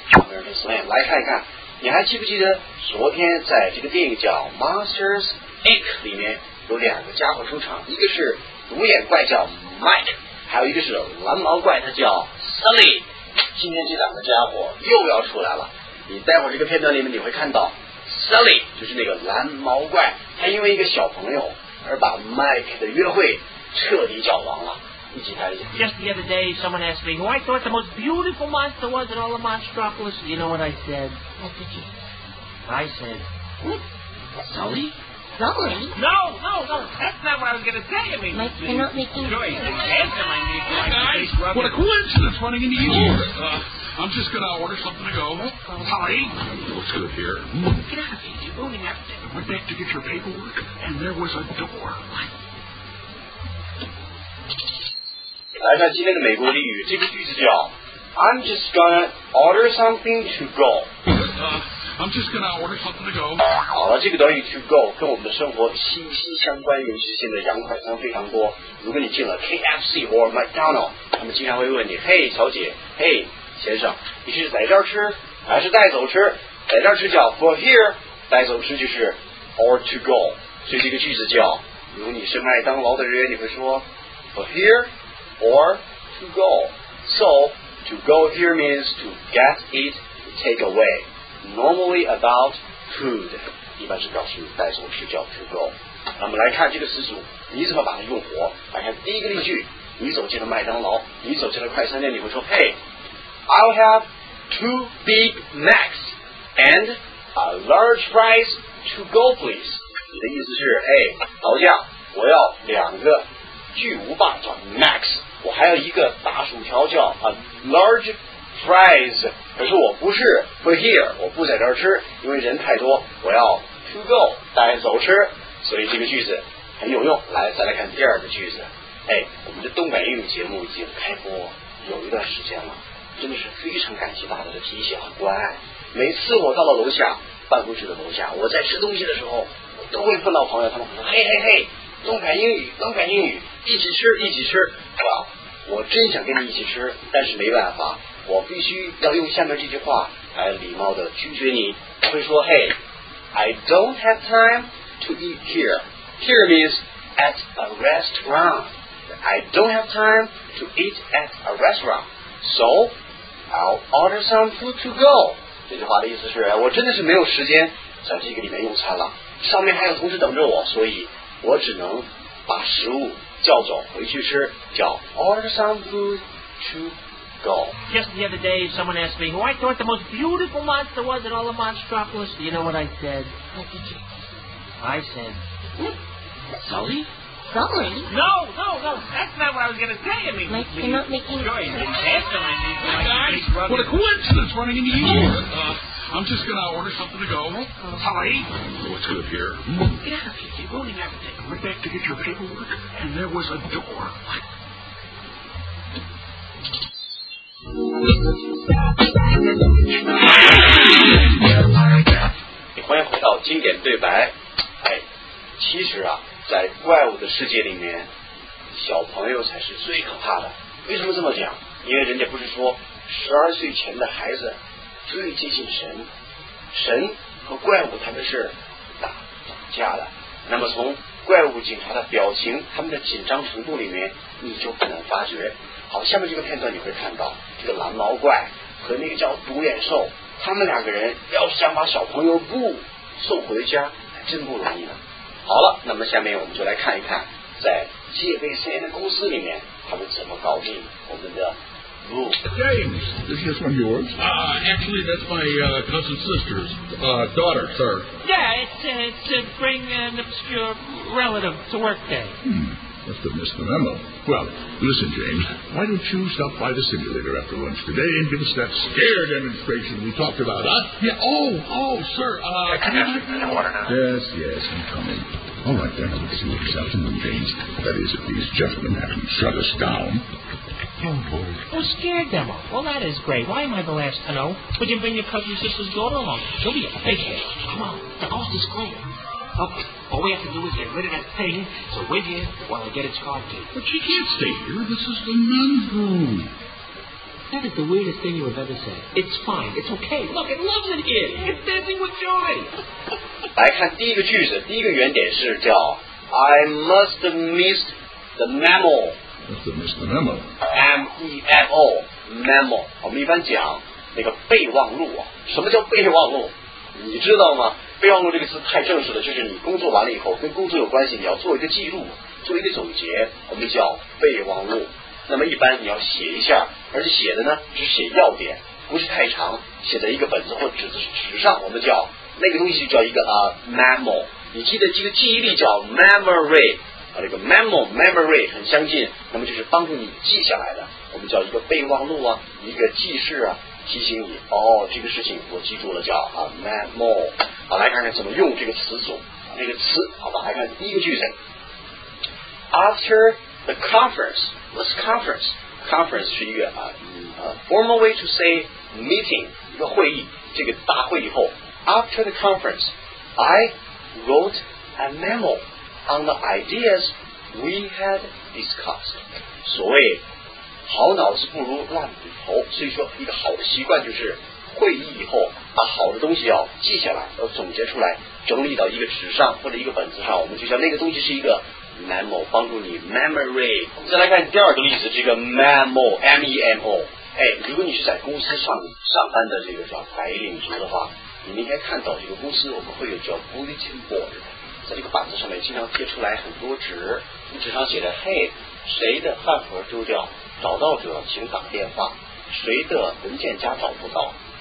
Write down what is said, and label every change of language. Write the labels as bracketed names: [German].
[Chinese] ？American Slam， 来看一看，你还记不记得昨天在这个电影叫《Monsters Inc.》里面有两个家伙出场，一个是独眼怪叫 Mike， 还有一个是蓝毛怪，他叫 Sully。今天这两个家伙又要出来了，你待会儿这个片段里面你会看到 Sully， 就是那个蓝毛怪，他因为一个小朋友。而把 Mike 的约会彻底搅黄了，一起看一下。 [English] Just the other day, someone asked me who I thought the most beautiful monster was in all the Monstropolis. You know what I said? What did you? I said, what? Sully? Sully? No, that's not what I was going to say. I mean, Mike, you're not making sense. Hey guys, what a coincidence running into you. I'm just going to order something to go. Sully? What's good here? Get out of here, you're booming out there. I went back to get your paperwork, and there was a door. What? [Chinese] 来看今天的美国俚语，这个句子叫 [English] I'm just gonna order something to go. I'm just gonna order something to go. [Chinese] 好了，这个短语 to go 跟我们的生活息息相关，尤其是现在羊快餐非常多。如果你进了 KFC or McDonald's， 他们经常会问你：嘿，小姐，嘿，先生，你是在这儿吃还是带走吃？在这儿吃叫 [English] for here， [Chinese] 带走吃就是 [English] or to go。 [Chinese] 所以这个句子叫：如果你是麦当劳的人，你会说 [English] for here。 Or to go. So, to go here means to get it, take away. Normally about food. [Chinese] 一般是告诉你带走吃叫 to go. 那我们来看这个词组，你怎么把它用活？来看第一个例句，你走进了麦当劳，你走进了快餐店，你会说 [English] Hey, I'll have two Big Macs and a large fries to go, please. [Chinese] 你的意思是 Hey, 老将，我要两个巨无霸叫 Max， 我还有一个大薯条叫 [English] a large fries， [Chinese] 可是我不是 [English] for here， [Chinese] 我不在这儿吃，因为人太多，我要 to go 带走吃，所以这个句子很有用。来，再来看第二个句子。哎，我们的东北英语节目已经开播有一段时间了，真的是非常感谢大家的提携和关爱。每次我到了楼下办公室的楼下，我在吃东西的时候，我都会碰到朋友，他们会说嘿嘿嘿。东北英语，东北英语，一起吃，一起吃。Well, 我真想跟你一起吃，但是没办法，我必须要用下面这句话来礼貌的拒绝你。会说 [English] ，Hey, I don't have time to eat here. Here means at a restaurant. I don't have time to eat at a restaurant. So, I'll order some food to go. [Chinese] 这句话的意思是，我真的是没有时间在这个里面用餐了，上面还有同事等着我，所以。我只能把食物叫走回去吃，叫 [English] order some food to go. Just the other day, someone asked me who I thought the most beautiful monster was in all the Monstropolis. You know what I said? What did you say? I said, what? Sully? Sully? No, that's not what I was going to say. I mean, Mike, you're not making Guys, what a coincidence running into you. I'm just going to order something to go. Sully? What's good here? Get out of here. You're ruining everything. I went back to get your paperwork, and there was a door. What? [Chinese] Hey, 欢迎回到经典对白。哎，其实啊，在怪物的世界里面，小朋友才是最可怕的。为什么这么讲？因为人家不是说12岁前的孩子最接近神，神和怪物他们是打架的。那么从怪物警察的表情，他们的紧张程度里面，你就可能发觉。好，下面这个片段你会看到，这个蓝毛怪和那个叫独眼兽，他们两个人要想把小朋友布送回家，还真不容易呢。好了，那么下面我们就来看一看，在戒备森严的公司里面，他们怎么搞定我们的。 [English] James, is this one yours? Actually, that's my cousin's sister's daughter, sir. Yeah, it's to bring an obscure relative to work day. Must have missed the memo. Well, listen, James, why don't you stop by the simulator after lunch today and give us that scare demonstration we talked about, huh? Yeah, oh, sir. Yes, I'm coming. All right, then, I'll see you this afternoon, James. That is, if these gentlemen haven't shut us down. Oh, boy. Oh, scared demo. Well, that is great. Why am I the last to know? Would you bring your cousin sister's daughter along? She'll be a big hit. Come on. The coast is clear. Okay. All we have to do is get rid of that thing so we're here while I get its card key. But she can't stay here. This is the men's room. That is the weirdest thing you have ever said. It's fine. It's okay. Look, it loves it here. It's dancing with joy. [Chinese] 来看第一个句子。第一个原点是叫 [English] I must have missed the memo. That's the Mr. Memo. M-E-M-O. Memo. [Chinese] 我们一般讲那个备忘录啊。什么叫备忘录？你知道吗？备忘录这个词太正式了，就是你工作完了以后跟工作有关系，你要做一个记录，做一个总结，我们叫备忘录。那么一般你要写一下，而且写的呢只写要点，不是太长，写在一个本子或纸子纸上，我们叫那个东西叫一个memo。你记得这个记忆力叫 memory。这个 memory 很相近，那么就是帮助你记下来的，我们叫一个备忘录啊，一个记事啊，提醒你哦，这个事情我记住了，叫啊 memo。好，来看看怎么用这个词组，这个词，好吧，来看第一个句子。 [English] After the conference, what's conference? [Chinese] Conference 是一个 [English] formal way to say meeting, [Chinese] 一个会议，这个大会以后。 [English] After the conference, I wrote a memo. On the ideas we had discussed. [Chinese] 所谓好脑子不如烂骨头，所以说一个好的习惯就是会议以后把好的东西要记下来，要总结出来，整理到一个纸上或者一个本子上，我们就叫那个东西是一个 memo， 帮助你 memory。我们再来看第二个例子，这个 memo M-E-M-O、哎、如果你是在公司上班的这个叫白领族的话，你们应该看到这个公司我们会有叫 bulletin board，在这个板子上面经常贴出来很多纸，纸上写着嘿，谁的饭盒丢掉，找到者请打电话，谁的文件夹找不到，